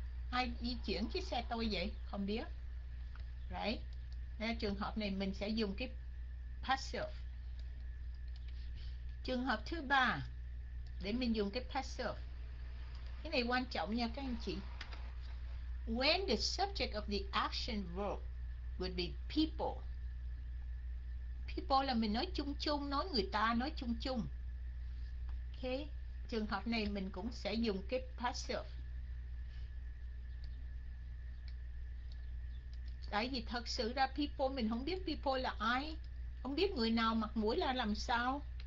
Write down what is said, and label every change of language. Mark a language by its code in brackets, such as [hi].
[vi] Ai di chuyển cái xe tôi vậy? Không biết. Right. Nên trường hợp này mình sẽ dùng cái passive. Trường hợp thứ ba để mình dùng cái passive. Cái này quan trọng nha các anh chị. [en] When the subject of the action verb would be people. [vi] People là mình nói chung chung, nói người ta, nói chung chung. Okay. Trường hợp này mình cũng sẽ dùng cái passive. Tại vì thật sự ra people, mình không biết people là ai, không biết người nào mặt mũi là làm sao.